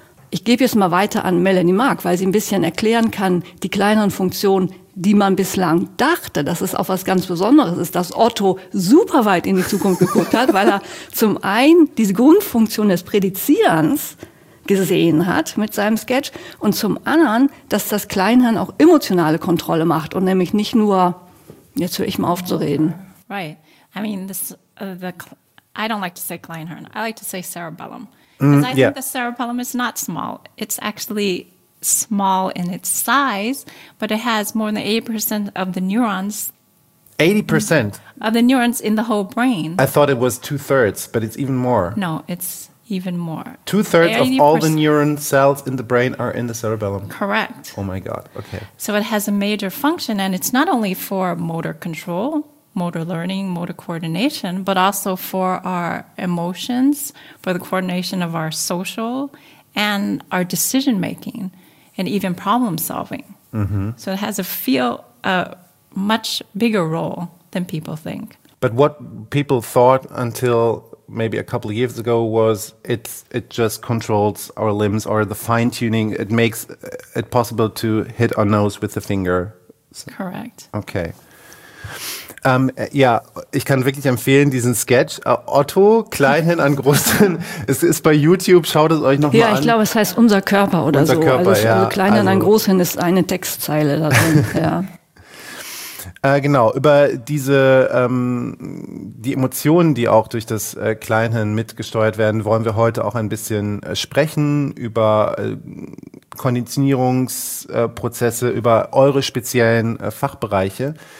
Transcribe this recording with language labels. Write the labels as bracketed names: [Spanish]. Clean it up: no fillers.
[German] Ich gebe jetzt mal weiter an Melanie Mark, weil sie ein bisschen erklären kann, die kleineren Funktionen, die man bislang dachte, dass es auch was ganz Besonderes ist, dass Otto super weit in die Zukunft geguckt hat, weil er zum einen diese Grundfunktion des Prädizierens gesehen hat mit seinem Sketch und zum anderen, dass das Kleinhirn auch emotionale Kontrolle macht und nämlich nicht nur, jetzt höre ich mal auf zu reden. [English] Right. I mean, I don't like to say Kleinhirn. I like to say cerebellum. Think the cerebellum is not small. It's actually small in its size, but it has more than 80% of the neurons. 80%? Of the neurons in the whole brain. I thought it was 2/3, but it's even more. No, it's even more. 2/3 of all the neuron cells in the brain are in the cerebellum. Correct. Oh my God, okay. So it has a major function, and it's not only for motor control, motor learning, motor coordination, but also for our emotions, for the coordination of our social and our decision making, and even problem solving. Mm-hmm. So it has a much bigger role than people think. But what people thought until maybe a couple of years ago, was it just controls our limbs, or the fine tuning, it makes it possible to hit our nose with the finger. So, correct. Okay. [German] Ja, ich kann wirklich empfehlen, diesen Sketch. Otto, Kleinhin an Großhin, es ist bei YouTube, schaut es euch nochmal an. Ja, ich glaube, es heißt Unser Körper oder unser so. Körper, also, ja. Also Kleinhin an Großhin ist eine Textzeile da drin, ja. Genau, über diese, die Emotionen, die auch durch das Kleinhirn mitgesteuert werden, wollen wir heute auch ein bisschen sprechen, über Konditionierungsprozesse, über eure speziellen Fachbereiche.